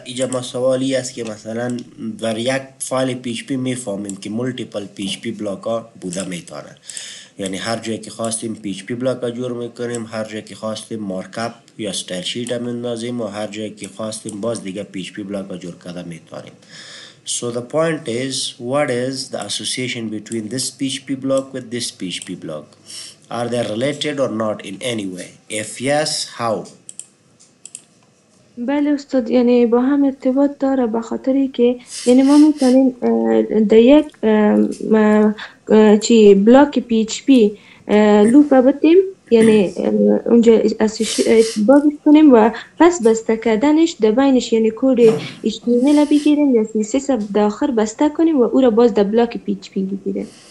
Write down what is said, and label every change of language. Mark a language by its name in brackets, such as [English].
[Persian] ایجا ما سوالی است که مثلا در یک فایل PHP میفهمیم که ملتیپل PHP بلاک ها بوده میتونه، یعنی هر جایی که خواستیم PHP بلاک ها جور میکنیم، هر جایی که خواستیم مارکاپ یا ستایل شیت هم اندازیم و هر جایی که خواستیم باز دیگه PHP بلاک ها جور کده میتونیم. [English] So the point is, what is the association between this PHP block with this PHP block? Are they related or not in any way? If yes, how? [Persian] بله استاد، یعنی با هم ارتباط داره به خاطر اینکه یعنی ما میتونیم در یک چی بلاک پی اچ پی لوپ بتیم، یعنی اونجا اسباب کنیم و پس بسته کردنش در بینش یعنی کود اچ تی ام ال بگیریم یا سی اس اس داخل بسته کنیم و او را باز در بلاک پی اچ پی بگیریم.